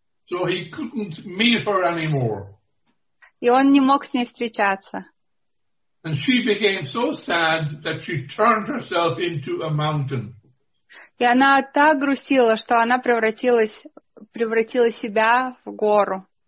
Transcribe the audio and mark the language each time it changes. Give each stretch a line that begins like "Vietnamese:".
English: So he couldn't meet her anymore.
Russian: И он не мог с ней встречаться.
English: And she became so sad that she turned herself into a mountain.
Russian: И она так грустила, что она превратила себя в гору.